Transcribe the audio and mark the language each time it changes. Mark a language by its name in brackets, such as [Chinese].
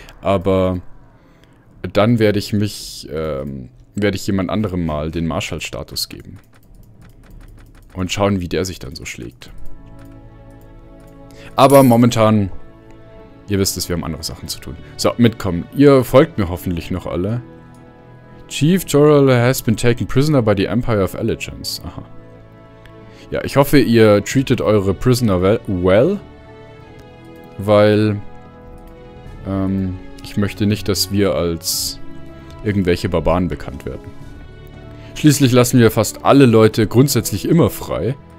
[German] Aber dann werde ich jemand anderem mal den Marshall-Status geben. Und schauen, wie der sich dann so schlägt. Aber momentan, ihr wisst es, wir haben andere Sachen zu tun. So, mitkommen. Ihr folgt mir hoffentlich noch alle. [English] Chief Jorala has been taken prisoner by the Empire of Allegiance. Aha. [German] Ja, ich hoffe, ihr treatet eure Prisoner well. Weil ich möchte nicht, dass wir als irgendwelche Barbaren bekannt werden. Schließlich lassen wir fast alle Leute grundsätzlich immer frei.